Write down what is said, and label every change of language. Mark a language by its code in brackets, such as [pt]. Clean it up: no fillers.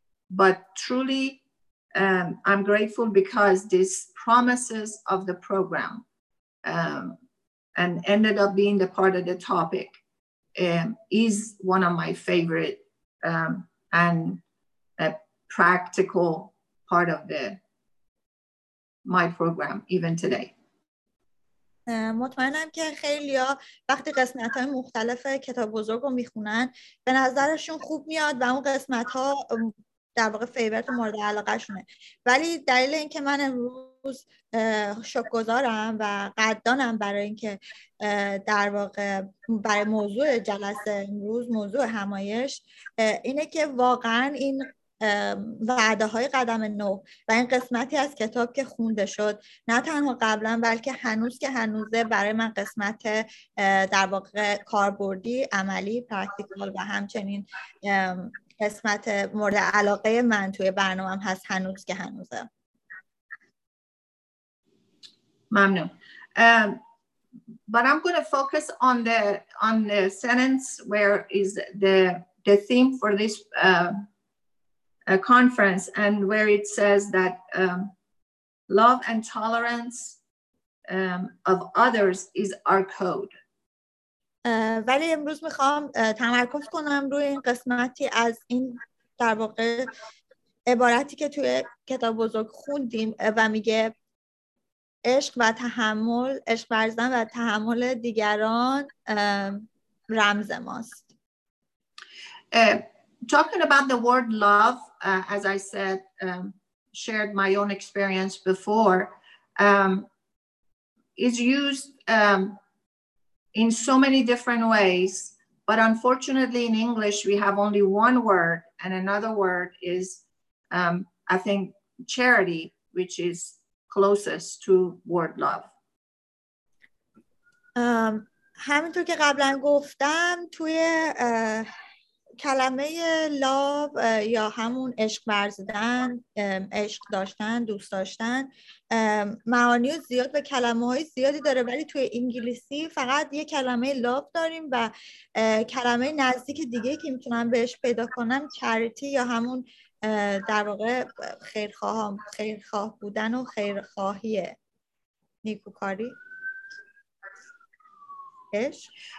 [en] But truly, I'm grateful because this promises of the program and ended up being the part of the topic is one of my favorite and a practical part of the my program even today. [fa] مطمئنم که خیلیا وقتی قسمت‌های مختلف کتاب بزرگ رو میخونن به نظرشون خوب میاد و اون قسمت‌ها در واقع فیورت مورد علاقه شونه. ولی دلیل این که من امروز شکرگزارم و قدردانم برای اینکه در واقع برای موضوع جلسه امروز موضوع همایش اینه که واقعا این وعده های قدم نو و این قسمتی از کتاب که خونده شد نه تنها قبلا بلکه هنوز که هنوزه برای من قسمت در واقع کاربردی عملی پرکتیکال و همچنین قسمت مورد علاقه من توی برنامه هم هست هنوز که هنوزه. ممنون. [en] But I'm going to focus on the sentence where is the theme for this conference and where it says that love and tolerance of others is our code. [fa] ولی امروز میخوام تمرکز کنم روی این قسمتی از این در واقع عبارتی که توی کتاب بزرگ خوندیم و میگه عشق و تحمل، عشق ورزیدن و تحمل دیگران رمز ماست. [en] Talking about the word love, as I said, shared my own experience before, is used in so many different ways, but unfortunately in English we have only one word, and another word is I think charity, which is closest to word love. [fa] همینطور که قبلا گفتم توی کلمه لاو یا همون عشق ورزیدن، عشق داشتن، دوست داشتن، معانی زیاد و کلمه‌های زیادی داره، ولی توی انگلیسی فقط یه کلمه لاو داریم و کلمه نزدیک دیگه که میتونم بهش پیدا کنم چریتی یا همون در واقع خیرخواهم، خیرخواه بودن و خیرخواهیه، نیکوکاری، عشق.